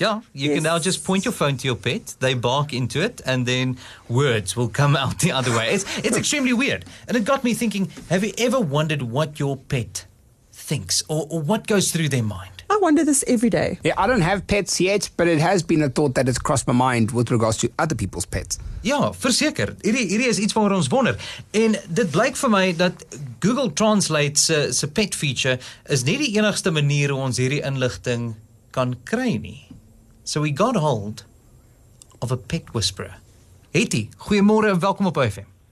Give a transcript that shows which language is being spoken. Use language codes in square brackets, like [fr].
[en] Yeah, you can now just point your phone to your pet, they bark into it, and then words will come out the other way. It's extremely weird. And it got me thinking, have you ever wondered what your pet thinks or what goes through their mind? I wonder this every day. Yeah, I don't have pets yet, but it has been a thought that has crossed my mind with regards to other people's pets. [af] Ja, verseker. Hierdie is iets waaroor ons wonder. En dit blyk vir my dat Google Translate se pet feature is nie die enigste manier hoe ons hierdie inligting kan kry nie. [en] So we got hold of a pet whisperer. [af] Hetty, goeiemôre en welkom op UFM.